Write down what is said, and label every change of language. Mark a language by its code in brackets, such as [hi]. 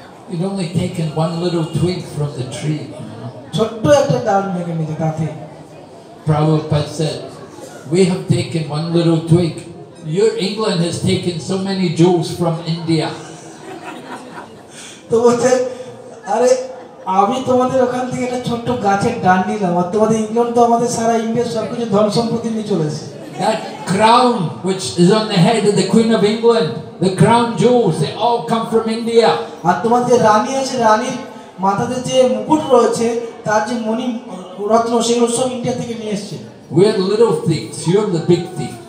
[en] You'd only taken one little twig from the tree, you know. [bn] Chotto ekta dal bhenge niyeche tate. [en] Prabhupada said, we have taken one little twig. Your England has taken so many jewels from India. [bn] তো বলছে আরে আমি তোমাদের ওখান থেকে একটা ছোট্ট গাছের ডাল নিলাম আর তোমাদের ইংল্যান্ড তো আমাদের সারা ইন্ডিয়ার সব কিছু ধন সম্পত্তি নিয়ে চলেছে. [en] That crown which is on the head of the Queen of England, the crown jewels, they all come from India. [bn] আর তোমাদের যে রানী আছে রানীর মাথাতে যে মুকুট রয়েছে তার যে মণি রত্ন সেগুলো সব ইন্ডিয়া থেকে নিয়ে এসেছে. [en] We are the little things, you are the big thing.